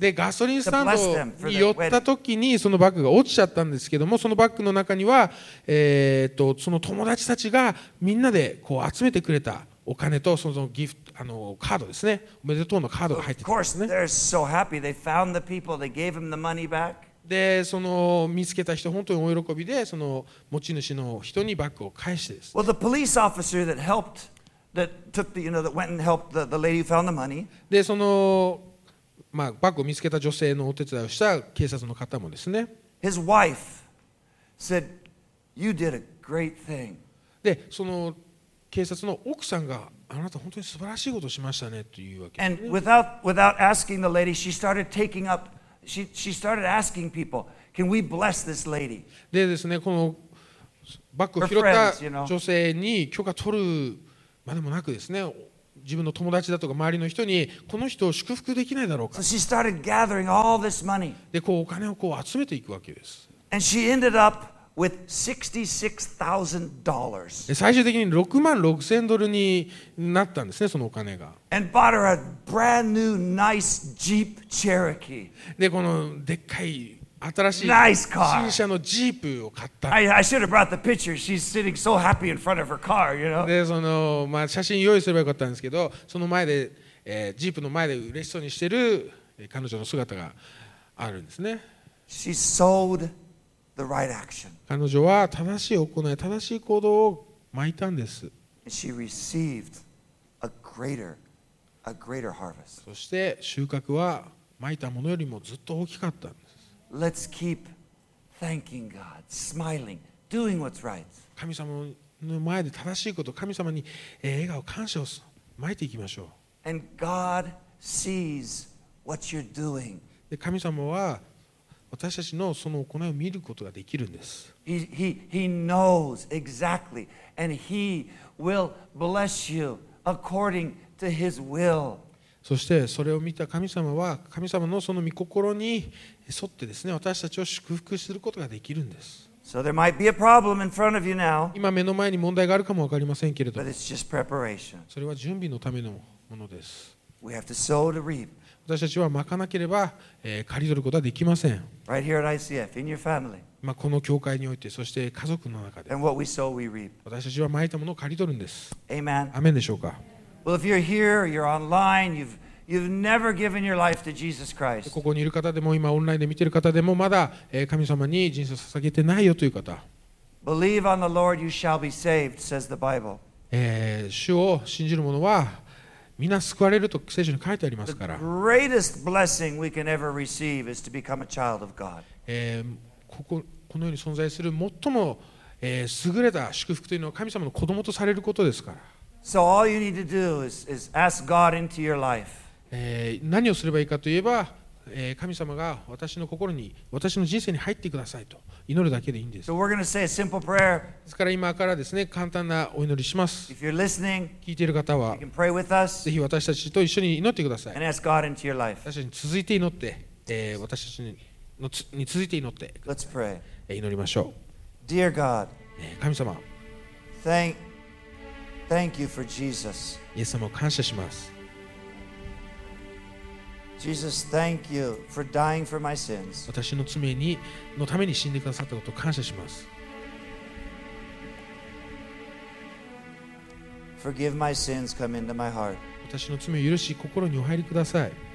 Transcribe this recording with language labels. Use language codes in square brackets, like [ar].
[ja] で、ガソリンスタンドに寄った時にそのバッグが落ちちゃったんですけども、そのバッグの中には、その友達たちがみんなでこう集めてくれたお金とそのギフト、あのカードですね、おめでとうのカードが入ってた。 [en] Of course, they're so happy. They found the people. They gave them the money back. [ja] で、その見つけた人本当にお喜びで、その持ち主の人にバッグを返してです。 [en] Well, the police officer that helped. That took the, you know, that went and helped the lady who found the money. [ja] で、その、まあ、バッグを見つけた女性のお手伝いをした警察の方もですね。 [en] His wife said, "You did a great thing." [ja] で、その警察の奥さんが、あなた本当に素晴らしいことをしましたねというわけ。 [en] And without asking the lady, she started taking up. She started asking people, "Can we bless this lady?" [ja] でですね、このバッグを拾った女性に許可取る。まあ、でもなくですね、自分の友達だとか周りの人にこの人を祝福できないだろうか。 [en] So she started gathering all this money. [ja] で、こうお金をこう集めていくわけです。 [en] And she ended up with $66,000. [ja] 最終的に66,000ドルになったんですね、そのお金が。 [en] And bought her a brand new nice Jeep Cherokee. [ja] で、このでっかい新しい新車のジープを買った。 [en] I should have brought the picture. She's sitting so happy in front of her car, you know. [ja] で、その、まあ、写真用意すればよかったんですけど、その前で、ジープの前で嬉しそうにしてる彼女の姿があるんですね。 [en] She sold the right action. [ja] 彼女は正しい行い、正しい行動を巻いたんです。 [en] She received a greater harvest. [ja] そして収穫は巻いたものよりもずっと大きかった。 [en] Let's keep thanking God, smiling, doing what's right. [ja] 神様の前で正しいこと、神様に笑顔、感謝を巻いていきましょう。 [en] And God sees what you're doing. [ja] 神様は私たちのその行いを見ることができるんです。 [en] He knows exactly, and He will bless you according to His will. [ja] そしてそれを見た神様は神様のその御心に沿ってですね、私たちを祝福することができるんです。 [en] So there might be a problem in front of you now. [ja] 今目の前に問題があるかも分かりませんけれども。 [en] But it's just preparation. [ja] それは準備のためのものです。 [en] We have to sow to reap. [ja] 私たちは巻かなければ、刈り取ることはできません。 [en] Right here at ICF, in your family. [ja] まあこの教会において、そして家族の中で。 [en] And what we sow, we reap. [ja] 私たちは巻いたものを刈り取るんです。 [en] Amen. [ja] アメンでしょうか。 [en] Well, if you're here, you're online, you've You've never given your life to Jesus Christ. [ja] ここにいる方でも今オンラインで見ている方でもまだ神様に人生を捧げてないよという方。 [en] Believe on the Lord, you shall be saved, says the Bible. [ja] 主を信じる者は皆救われると聖書に書いてありますから。 [en] The greatest blessing we can ever receive is to become a child of God. [ja] この世に存在する最も優れた祝福というのは神様の子供とされることですから。 [en] So all you need to do is ask God into your life. [ja] 何をすればいいかといえば、神様が私の心に私の人生に入ってくださいと祈るだけでいいんです。 [en] So we're going to say a simple prayer. [ja] ですから今からですね、簡単なお祈りします。 [en] If you're listening, [ja] 聞いている方は、 [en] you can pray with us. [ja] ぜひ私たちと一緒に祈ってください。 [en] And ask God into your life. [ja] 私たちに続いて祈って、私たちに続いて祈って。 [en] Let's pray. [ja] 祈りましょう。 [en] Dear God. [ja] 神様。 [en] Thank you for Jesus. [ja] イエス様を感謝します。 [en] Jesus, thank you for dying for my sins. [ja] 私の罪にのために死んでくださったことを感謝します。 [en] Forgive my sins, come into my heart. [ja] 私の罪を許し、心にお入りください。